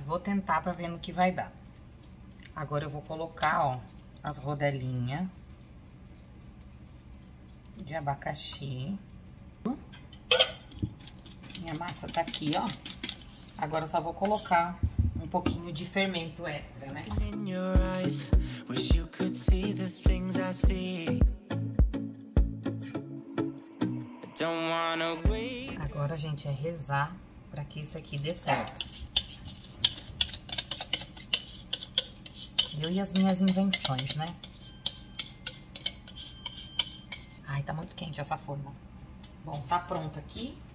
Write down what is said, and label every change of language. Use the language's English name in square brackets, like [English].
[Portuguese] Vou tentar pra ver no que vai dar. Agora eu vou colocar, ó, as rodelinhas de abacaxi. Minha massa tá aqui, ó. Agora eu só vou colocar um pouquinho de fermento extra, né? [English] In your eyes, wish you could see the things I see. Don't wanna wait. [Portuguese] Agora, gente, é rezar pra que isso aqui dê certo. Eu e as minhas invenções, né? Ai, tá muito quente essa forma. Bom, tá pronto aqui.